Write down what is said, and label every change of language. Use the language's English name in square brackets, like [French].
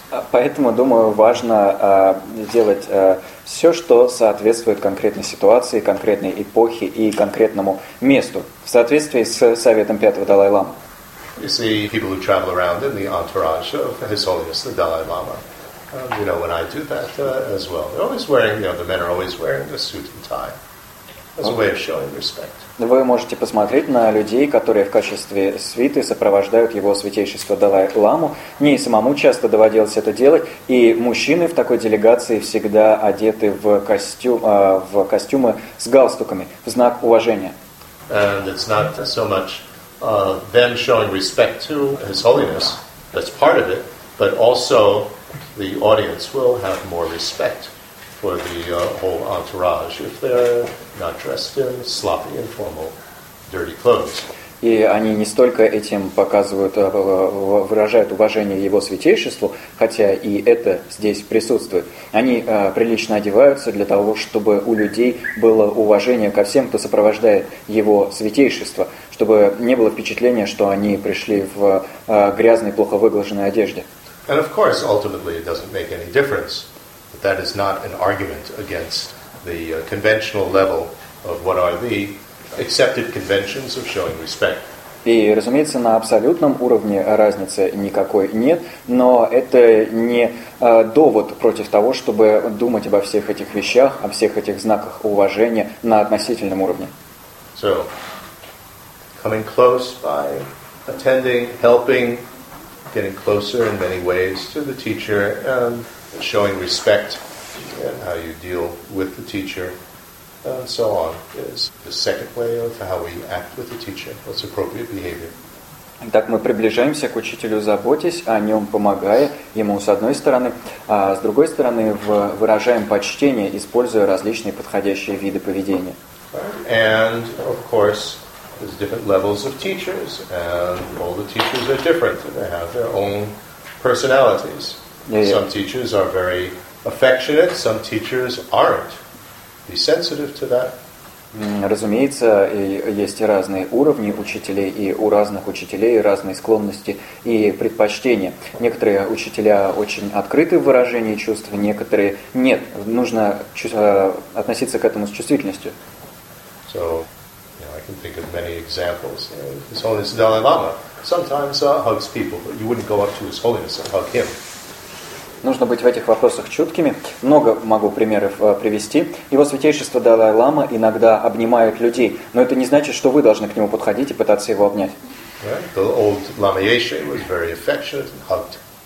[Russian] Поэтому, думаю, важно делать все, что соответствует конкретной ситуации, конкретной эпохе и конкретному месту, в соответствии с советом пятого Далай-Лама. [English] You see, people who travel around in the entourage of His Holiness, the Dalai Lama, you know, when I do that as well, they're always wearing, you know, the men are always wearing a suit and tie. As a way of showing respect. [Russian] Вы можете посмотреть на людей, которые в качестве свиты сопровождают его святейшество Далай-Ламу. Мне и самому часто доводилось это делать. И мужчины в такой делегации всегда одеты в костюмы с галстуками, в знак уважения. [English] And it's not so much them showing respect to His Holiness, that's part of it, but also the audience will have more respect. for the whole entourage if they're not dressed in sloppy, informal, dirty clothes. [Russian] И они не столько этим показывают, выражают уважение Его Святейшеству, хотя и это здесь присутствует. Они прилично одеваются для того, чтобы у людей было уважение ко всем, кто сопровождает Его Святейшество, чтобы не было впечатления, что они пришли в грязной, плохо выглаженной одежде. [English] And of course, ultimately it doesn't make any difference. But that is not an argument against the conventional level of what are the accepted conventions of showing respect. [Russian] И, разумеется, на абсолютном уровне разницы никакой нет, но это не довод против того, чтобы думать обо всех этих вещах, о всех этих знаках уважения на относительном уровне. [English] So, coming close by attending, helping, getting closer in many ways to the teacher and showing respect in how you deal with the teacher. And so on is the second way of how we act with the teacher. What's appropriate behavior? [Russian] Так мы приближаемся к учителю, заботясь о нем, помогая ему с одной стороны, а с другой стороны выражаем почтение, используя различные подходящие виды поведения. [English] And of course, there's different levels of teachers, and all the teachers are different. They have their own personalities. Some teachers are very affectionate. Some teachers aren't. Be sensitive to that. [Russian] Разумеется, есть разные уровни учителей, и у разных учителей разные склонности и предпочтения. Некоторые учителя очень открыты в выражении чувств, некоторые нет. Нужно относиться к этому с чувствительностью. [English] So, you know, I can think of many examples. His Holiness the Dalai Lama sometimes hugs people, but you wouldn't go up to His Holiness and hug him. [Russian] Нужно быть в этих вопросах чуткими. Много могу примеров привести. Его Святейшество Далай-Лама иногда обнимает людей, но это не значит, что вы должны к нему подходить и пытаться его обнять. [English] The old Lama Yeshe was very affectionate and hugged.